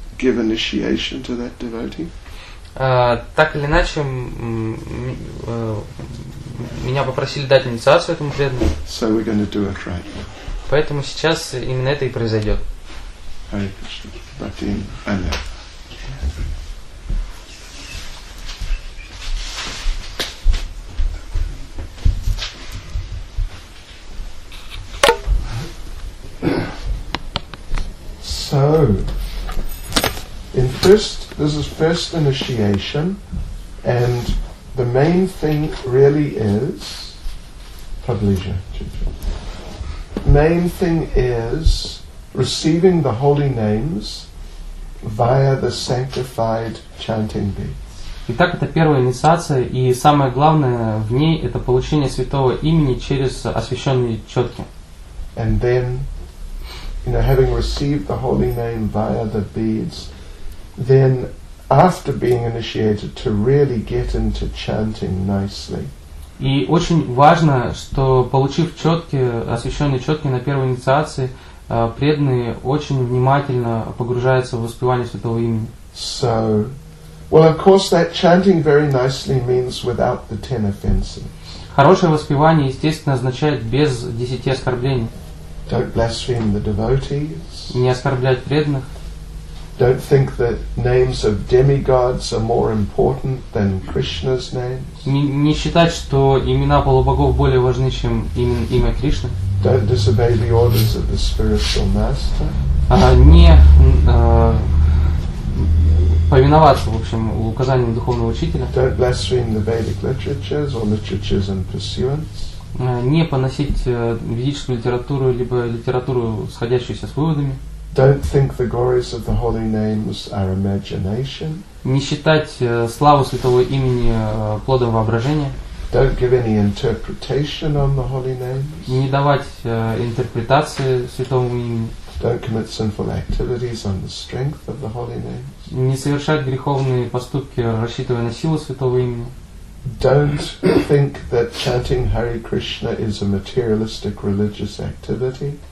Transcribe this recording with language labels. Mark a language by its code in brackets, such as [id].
[en] give initiation to that devotee? [ru] Так или иначе, меня попросили дать инициацию этому преданному. [en] So we're going to do it right now. [ru] Поэтому сейчас именно это и произойдет. [en] Hare Krishna. Bhakti Ananda. So, in first, this is first initiation, and the main thing really is Pablija. Main thing is receiving the holy names via the sanctified chanting beads. [ru] Итак, это первая инициация, и самое главное в ней это получение святого имени через освященные четки. [en] And then, you know, having received the holy name via the beads, then after being initiated, to really get into chanting nicely. [ru] И очень важно, что получив четки, освященные четки на первой инициации, преданные очень внимательно погружаются в воспевание святого имени. [en] So, well, of course, that chanting very nicely means without the 10 offenses. [ru] Хорошее воспевание, естественно, означает без 10 оскорблений. [en] Don't blaspheme the devotees. [ru] Не оскорблять преданных. [en] Don't think that names of demigods are more important than Krishna's names. [ru] Не считать, что имена полубогов более важны, чем имя Кришны. [en] Don't disobey the orders of the spiritual master. [ru] Повиноваться, в общем, указаниям духовного учителя. [en] Don't blaspheme the Vedic literatures or literatures and pursuants. [ru] Не поносить ведическую литературу либо литературу, сходящуюся с выводами. [en] Don't think the glories of the holy names are imagination. [ru] Не считать славу святого имени плодом воображения. [en] Don't give any interpretation on the holy names. [ru] Не давать интерпретации святому имени. [en] Don't commit sinful activities on the strength of the holy names. [ru] Не совершать греховные поступки, рассчитывая на силу святого имени. [en] Don't think that chanting Hare Krishna is a materialistic religious activity.